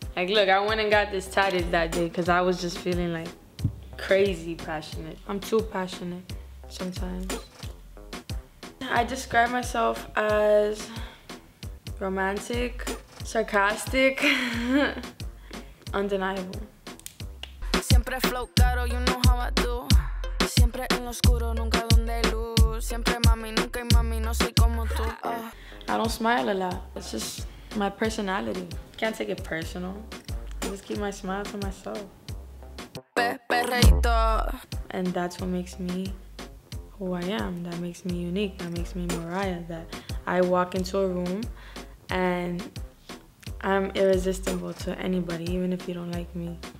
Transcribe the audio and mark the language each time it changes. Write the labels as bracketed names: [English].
[English] Like, look, I went and got this tatted that day because I was just feeling, like, crazy passionate. I'm too passionate sometimes. I describe myself as romantic, sarcastic, undeniable. [Spanish] Siempre flow caro, [English] you know how I do. [Spanish] Siempre en lo oscuro, nunca donde luz. Siempre mami, nunca hay mami, no soy como tú. [English] I don't smile a lot. It's just my personality. Can't take it personal. I just keep my smile to myself. Perreito. And that's what makes me who I am. That makes me unique. That makes me Mariah. That I walk into a room and I'm irresistible to anybody, even if you don't like me.